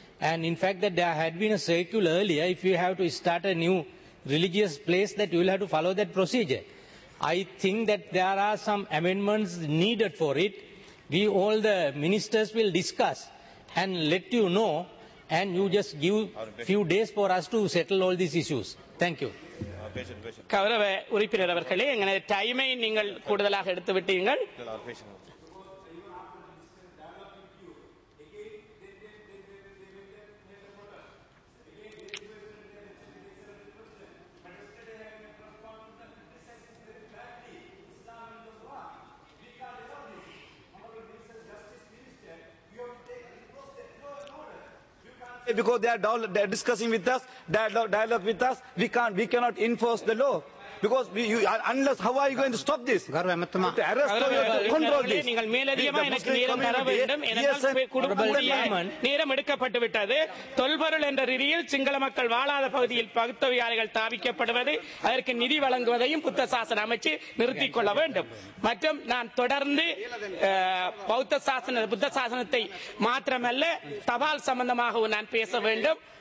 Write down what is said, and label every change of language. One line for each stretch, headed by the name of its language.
English: And in fact that there had been a circular earlier, if you have to start a new religious place, that you will have to follow that procedure. I think that there are some amendments needed for it. We all the ministers will discuss and let you know, and you just give few days for us to settle all these issues. Thank you.
Tamil: கௌரவ உறுப்பினர் அவர்களே, எங்களது டைமை நீங்கள் கூடுதலாக எடுத்து விட்டீர்கள்.
English: Because they are discussing with us, dialogue with us, we cannot enforce the law. Because unless, how are you going to stop this? Garu Ahmedtuma, to arrest or you have to control this.
Tamil: நீங்கள் மேலதியமா எனக்கு நேரம் தர வேண்டும். என்னால் குடும்ப நேரம் எடுக்கப்பட்டு விட்டது. தொல்பொருள் என்ற ரீதியில் சிங்கள மக்கள் வாழாத பகுதியில் பௌத்த விகாரைகள் தாவிக்கப்படுவது, அதற்கு நிதி வழங்குவதையும் புத்த சாசன அமைச்சு நிறுத்திக் கொள்ள வேண்டும். மற்றும் நான் தொடர்ந்து பௌத்த சாசன புத்த சாசனத்தை மாத்திரமல்ல தபால் சம்பந்தமாகவும் நான் பேச வேண்டும்.